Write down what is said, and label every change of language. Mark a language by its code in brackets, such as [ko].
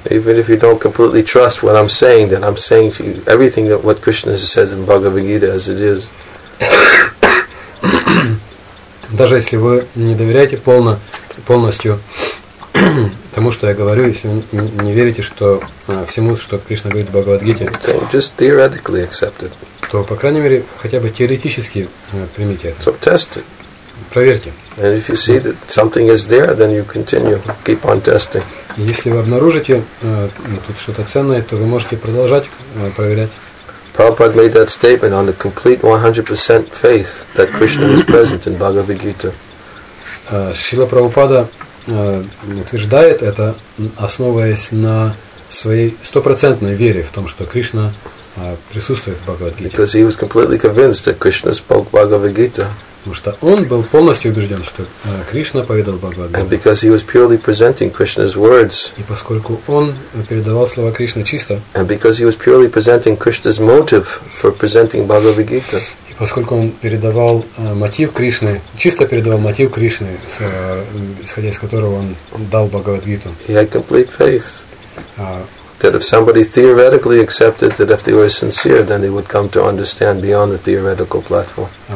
[en] Even if you don't completely trust what I'm saying, then I'm saying to you everything that what Krishna has said in Bhagavad Gita as it is. [ru] Даже если вы не доверяете полностью тому, что я говорю, если вы не верите, что всему, что Кришна говорит в Бхагавад-гите, [en] just theoretically accept it. [ru] То, по крайней мере, хотя бы теоретически примите это. [en] So test it. [ru] Проверьте. [en] And if you see that something is there, then you continue, keep on testing. [ru] Если вы обнаружите тут что-то ценное, то вы можете продолжать проверять. [en] Prabhupada made that statement on the complete 100% faith that Krishna is present in Bhagavad Gita. [ru] Шрила Прабхупада утверждает это, основываясь на своей стопроцентной вере в том, что Кришна присутствует в Бхагавад-гите. [en] Because he was completely convinced that Krishna spoke Bhagavad-gita. [ru] Потому что он был полностью убежден, что Кришна поведал Бхагавад-гиту. [en] And because he was purely presenting Krishna's words. [ru] И поскольку он передавал слова Кришны чисто. [en] And because he was purely presenting Krishna's motive for presenting Bhagavad-gita. [ru] поскольку он передавал мотив Кришны, чисто передавал мотив Кришны, исходя из которого он дал Бхагавад-гиту. [en] He had complete faith. That if somebody theoretically accepted, that if they were sincere, then they would come to understand beyond the theoretical platform.